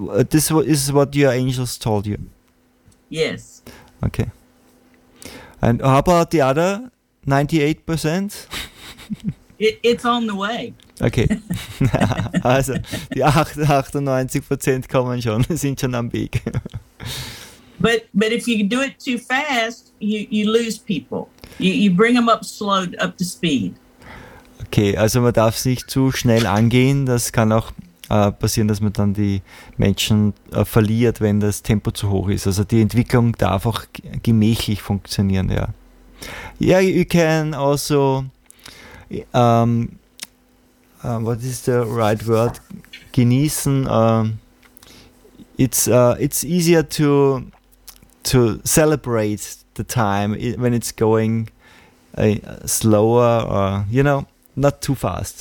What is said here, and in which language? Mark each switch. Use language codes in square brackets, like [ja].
[en] This is what your angels told you. Yes. Okay. And how about the other 98%? It's on the way. Okay. [de] Also, die 98% kommen schon, sind schon am Weg. [en] But if you do it too fast, you lose people. You bring them up slow, up to speed. [de] Okay, also man darf es nicht zu schnell angehen. Das kann auch passieren, dass man dann die Menschen verliert, wenn das Tempo zu hoch ist. Also die Entwicklung darf auch gemächlich funktionieren, ja. [en] Yeah, you can also, what is the right word? [de] Genießen. [en] It's easier to celebrate the time when it's going slower or, you know, not too fast.